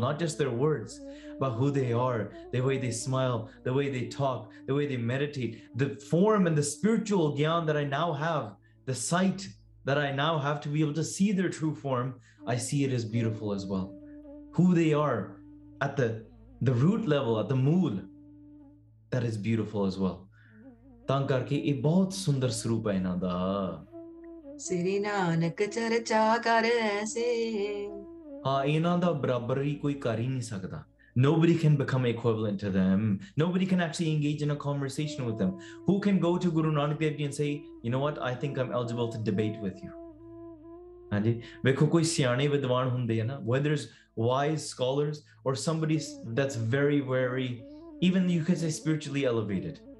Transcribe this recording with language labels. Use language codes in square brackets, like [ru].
[en] Not just their words, but who they are, the way they smile, the way they talk, the way they meditate, the form and the spiritual gyan that I now have, the sight that I now have to be able to see their true form, I see it as beautiful as well. Who they are at the root level, at the mool, that is beautiful as well. [pa] ਤਾਂ ਕਰਕੇ ਇਹ ਬਹੁਤ ਸੁੰਦਰ ਸਰੂਪ ਹੈ ਇਹਨਾਂ ਦਾ ਸ੍ਰੀ ਨਾਨਕ ਚਰਚਾ ਕਰ ਐਸੇ ਹਾਂ ਇਹਨਾਂ ਦਾ ਬਰਾਬਰ ਹੀ ਕੋਈ ਕਰ ਹੀ ਨਹੀਂ ਸਕਦਾ [en] Nobody can become equivalent to them. Nobody can actually engage in a conversation with them. Who can go to Guru Nanak Dev Ji and say, you know what, I think I'm eligible to debate with you. [pa] ਹਾਂਜੀ ਵੇਖੋ ਕੋਈ ਸਿਆਣੇ ਵਿਦਵਾਨ ਹੁੰਦੇ ਆ ਨਾ [en] whether it's wise scholars or somebody that's very, very, even you could say spiritually elevated.